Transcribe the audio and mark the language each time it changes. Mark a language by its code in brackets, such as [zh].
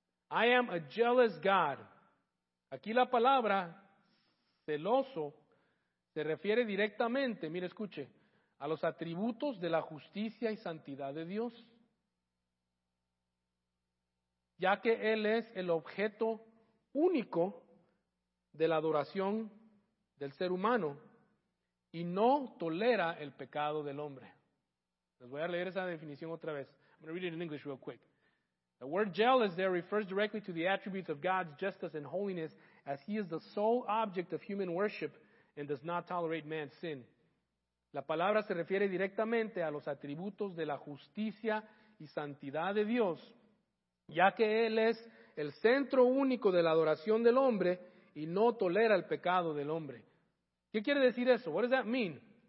[en] I am a jealous God. [es] Aquí la palabra celoso se refiere directamente, mire, escuche, a los atributos de la justicia y santidad de Dios, ya que Él es el objeto único de la adoración del ser humano y no tolera el pecado del hombre. Les voy a leer esa definición otra vez. [en] I'm going to read it in English real quick. The word jealous there refers directly to the attributes of God's justice and holiness, as He is the sole object of human worship and does not tolerate man's sin. [es] La palabra se refiere directamente a los atributos de la justicia y santidad de Dios, ya que Él es el centro único de la adoración del hombre y no tolera el pecado del hombre. ¿Qué quiere decir eso? [en] What does that mean?